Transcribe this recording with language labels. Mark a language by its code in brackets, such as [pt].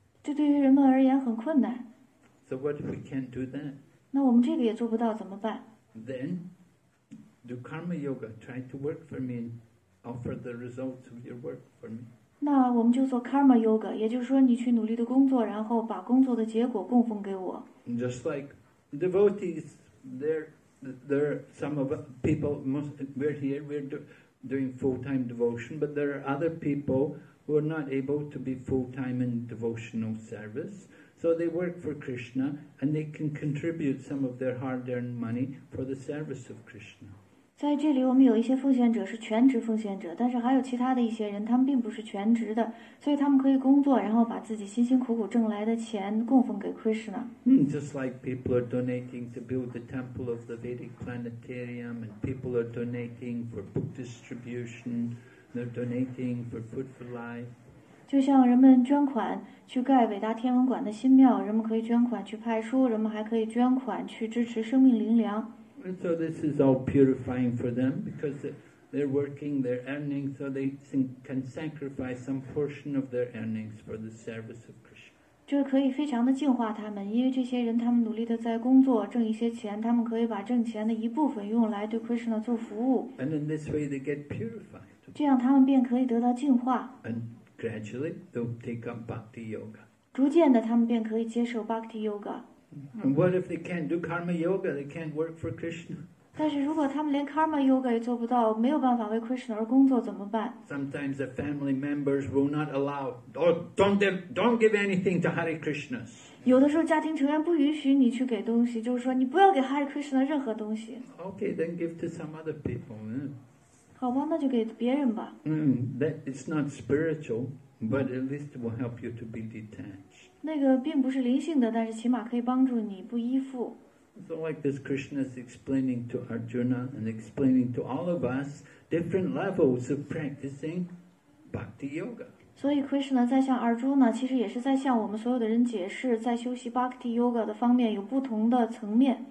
[zh] 这对于人们而言很困难。 [en] So what if we can't do that? [zh] 那我们这个也做不到怎么办 [en] ？Then do Karma Yoga. Try to work for me. Offer the results of your work for me. [zh] 那我们就做 Karma Yoga， 也就是说你去努力的工作，然后把工作的结果供奉给我。 [en] Just like devotees, there some of people most we're here we're doing full-time devotion, but there are other people who are not able to be full-time in devotional service, so they work for Krishna and they can contribute some of their hard-earned money for the service of Krishna. [zh] 在这里我们有一些奉献者是全职奉献者，但是还有其他的一些人，他们并不是全职的，所以他们可以工作，然后把自己辛辛苦苦挣来的钱供奉给 Krishna。 [en] Just like people are donating to build the temple of the Vedic planetarium, and people are donating for book distribution, they're donating for food for life. [zh] 就像人们捐款去盖伟大天文馆的新庙，人们可以捐款去派书，人们还可以捐款去支持生命灵粮。 [en] And so this is all purifying for them because they're working, they're earning, so they can sacrifice some portion of their earnings for the service of Krishna. [zh] 这可以非常的净化他们，因为这些人他们努力的在工作，挣一些钱，他们可以把挣钱的一部分用来对 Krishna 做服务。 [en] And in this way they get purified. [zh] 这样他们便可以得到净化。 [en] And gradually they'll take up Bhakti Yoga. [zh] 逐渐的他们便可以接受 Bhakti Yoga. [en] And what if they can't do karma yoga? They can't work for Krishna. [zh] 但是如果他们连 karma yoga 也做不到，没有办法为 Krishna 而工作怎么办？ [en] Sometimes the family members will not allow. Don't give anything to Hare Krishna. [zh] 有的时候家庭成员不允许你去给东西，就是说你不要给 Hare Krishna 任何东西。 [en] Okay, then give to some other people. [zh] 好吧，那就给别人吧。 [en] That it's not spiritual, but at least it will help you to be detached. [zh] 那个并不是灵性的，但是起码可以帮助你不依附。 [en] So like this, Krishna is explaining to Arjuna and explaining to all of us different levels of practicing bhakti yoga. [zh] 所以 Krishna 在向 Arjuna 其实也是在向我们所有的人解释，在修习 bhakti yoga 的方面有不同的层面。